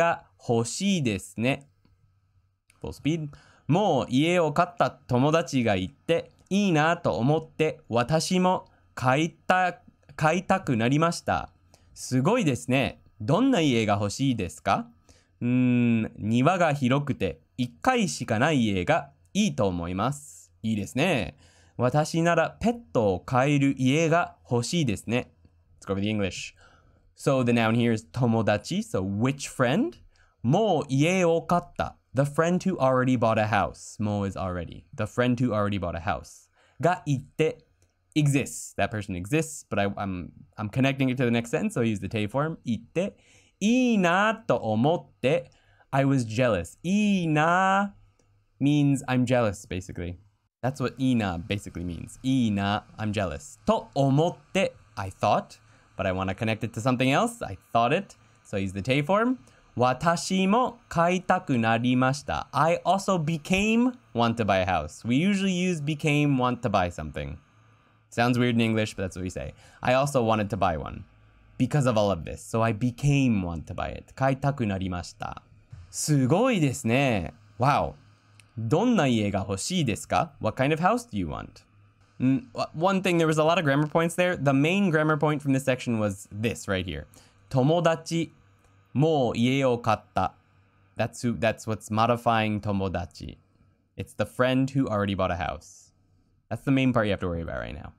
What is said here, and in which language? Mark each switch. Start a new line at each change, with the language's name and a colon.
Japanese: もう家を買った友達がいていいなと思って私も買いたくなりました。すごいですね。どんな家が欲しいですか?庭が広くて1階しかない家がいいと思います。いいですね。私ならペットを飼える家が欲しいですね。
English: Let's go over the English. So the noun here is 友達, so which friend?
Japanese: もう家を買った,
English: the friend who already bought a house. もう is already. The friend who already bought a house.
Japanese: がいて,
English: exists. That person exists, but I'm connecting it to the next sentence, so I use the te form.
Japanese: Itte. いいなと思って.
English: I was jealous.
Japanese: いいな
English: means I'm jealous, basically. That's what いいな basically means. いいな, I'm jealous.
Japanese: と思って.
English: I thought, but I want to connect it to something else. I thought it, so I use the te form.
Japanese: 私も買いたくなりました.
English: I also became want to buy a house. We usually use became want to buy something. Sounds weird in English, but that's what we say. I also wanted to buy one because of all of this. So I became one to buy it.
Japanese: 買いたくなりました.すごいですね.
English: Wow.
Japanese: どんな家が欲しいですか?
English: What kind of house do you want? One thing, there was a lot of grammar points there. The main grammar point from this section was this right here.
Japanese: 友達、もう家を買った.
English: That's what's modifying 友達. It's the friend who already bought a house. That's the main part you have to worry about right now.